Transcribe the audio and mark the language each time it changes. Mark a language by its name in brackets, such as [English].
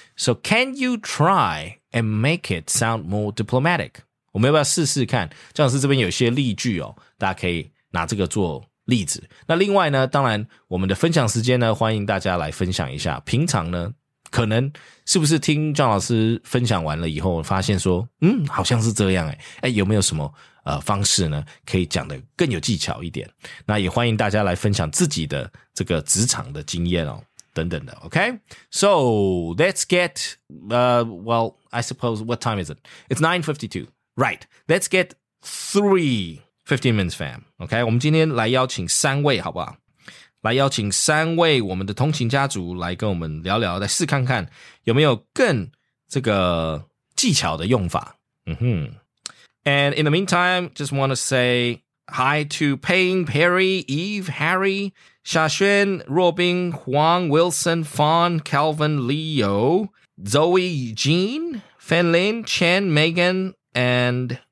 [English] So can you try and make it sound more diplomatic? [Chinese] 我们要不要试试看John老师这边有一些例句哦大家可以拿这个做例子。那另外呢当然我们的分享时间呢欢迎大家来分享一下。平常呢可能是不是听John老师分享完了以后发现说嗯好像是这样诶、欸。诶有没有什么方式呢可以讲得更有技巧一点。那也欢迎大家来分享自己的这个职场的经验哦等等的。 [English] Okay? So, let's get, well, I suppose, what time is it? It's 9:52. Right. Let's get 15 minutes fam. [Chinese] OK, 我们今天来邀请三位好不好来邀请三位我们的通勤家族来跟我们聊聊来试看看有没有更这个技巧的用法。嗯哼。 [English] And in the meantime, just want to say hi to Payne, Perry, Eve, Harry, Xia Xuan, Robin, Huang, Wilson, Fawn, Calvin, Leo, Zoe, Jean, Fen Lin, Chen, Megan, and...